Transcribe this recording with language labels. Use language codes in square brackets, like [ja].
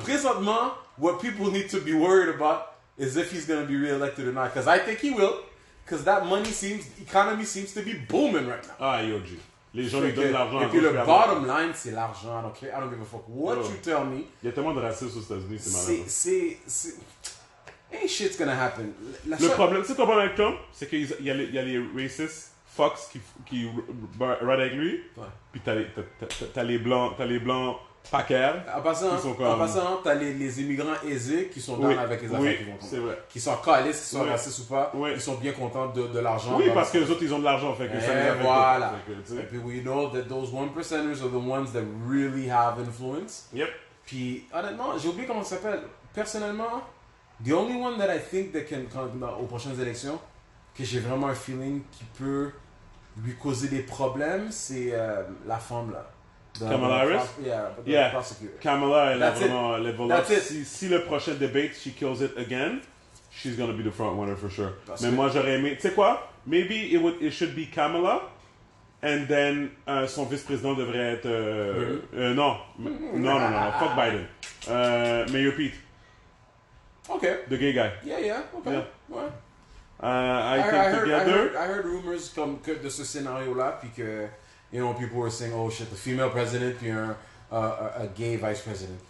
[en] Présentement, what people need to be worried about is if he's going to be re-elected or not. Because I think he will. Because that money seems, the economy seems to be booming right now. [fr] Ah, yo, G. Les gens lui donnent de l'argent. Et puis le bottom line, c'est l'argent. [en] Donc, I don't give a fuck what you tell me. [fr] Il y a tellement de racisme aux États-Unis, c'est malade. [en] C'est. Ain't shit's gonna happen. [fr] Le problème, c'est ton problème avec Trump, c'est qu'il y a les racistes, Fox, qui ride avec lui. Ouais. Puis t'as les blancs, Packer. En passant, t'as les immigrants aisés qui sont dans avec les affaires qui vont tomber. C'est vrai. Qui sont calistes, qui sont racistes ou pas. Oui. Ils sont bien contents de l'argent. Oui, parce que les autres, ils ont de l'argent. Fait que et ça voilà. Fait que, [en] et puis, we know that those 1%ers are the ones that really have influence. Yep. [fr] Puis, honnêtement, j'ai oublié comment ça s'appelle. Personnellement, [en] the only one that I think that can come [fr] aux prochaines élections, que j'ai vraiment un feeling qui peut lui causer des problèmes, c'est la femme, là. [en] Kamala Harris? Yeah. Kamala, [fr] elle est vraiment level. Si le prochain debate, [en] she kills it again, she's going to be the front runner for sure. [fr] Mais moi, j'aurais aimé... Tu sais quoi? [en] Maybe it should be Kamala, and then [fr] son vice-président devrait être... Non. [en] Fuck Biden. Mayor Pete. Okay. The gay guy. I heard rumors come [fr] que de ce scénario-là, puis que... [en] You know, people were saying, oh shit, the female president, puis a gay vice president.